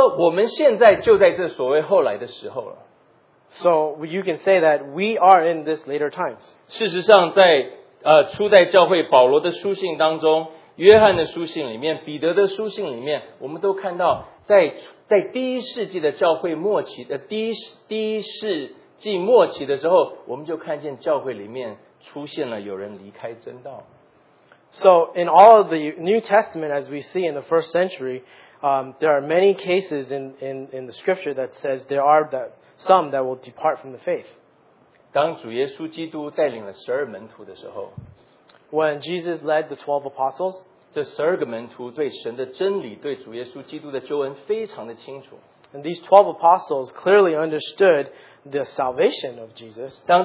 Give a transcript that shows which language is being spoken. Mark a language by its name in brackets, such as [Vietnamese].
[Chinese] 也就是说我们现在就在这所谓后来的时候了。 [English] So you can say that we are in this later times. [Chinese] 事实上在 初代教会保罗的书信当中，约翰的书信里面，彼得的书信里面，我们都看到在第一世纪的教会末期，第一世纪末期的时候，我们就看见教会里面出现了有人离开真道。 [English] So in all of the New Testament, as we see in the first century, there are many cases in the Scripture that says there are that some that will depart from the faith. [Chinese] 当主耶稣基督带领了十二门徒的时候。 [English] When Jesus led the 12 apostles, [Chinese] 这十二个门徒对神的真理，对主耶稣基督的救恩非常的清楚。 [English] And these 12 apostles clearly understood the salvation of Jesus.